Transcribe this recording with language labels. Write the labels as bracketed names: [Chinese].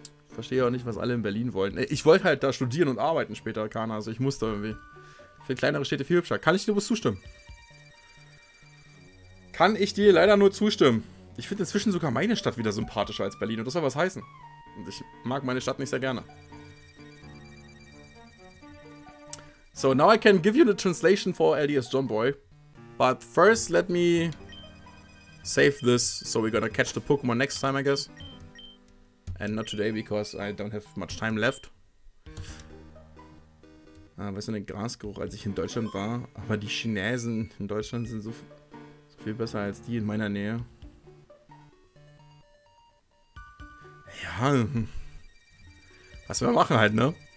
[German] Verstehe auch nicht, was alle in Berlin wollen. Ich wollte halt da studieren und arbeiten später, Kana. Also ich musste irgendwie. Für kleinere Städte viel hübscher. Kann ich dir bloß zustimmen? Kann ich dir leider nur zustimmen? Ich finde inzwischen sogar meine Stadt wieder sympathischer als Berlin. Und das soll was heißen. Und ich mag meine Stadt nicht sehr gerne. [English] So, now I can give you the translation for LDS John Boy. But first, let me save this, so we're gonna catch the Pokemon next time, I guess. And not today, because I don't have much time left. [German] Ah, weißt du, den Grasgeruch, als ich in Deutschland war? Aber die Chinesen in Deutschland sind so viel besser als die in meiner Nähe. Ja, was wir machen halt, ne?